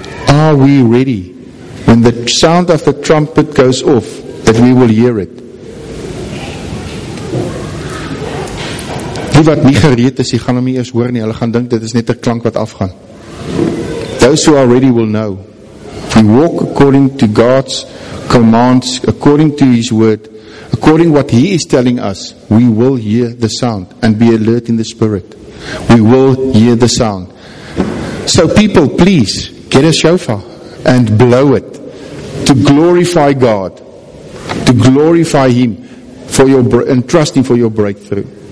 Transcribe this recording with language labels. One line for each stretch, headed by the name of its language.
English: Are we ready when the sound of the trumpet goes off that we will hear it?
Afrikaans: Die wat nie gereed is, die gaan hom nie eers hoor nie. Hulle gaan dink, dit is net 'n klank wat afgaan.
English: Those who already will know, we walk according to God's commands, according to His word, according what He is telling us, we will hear the sound and be alert in the spirit. We will hear the sound. So people, please, get a shofar and blow it to glorify God, to glorify Him for your and trusting for your breakthrough.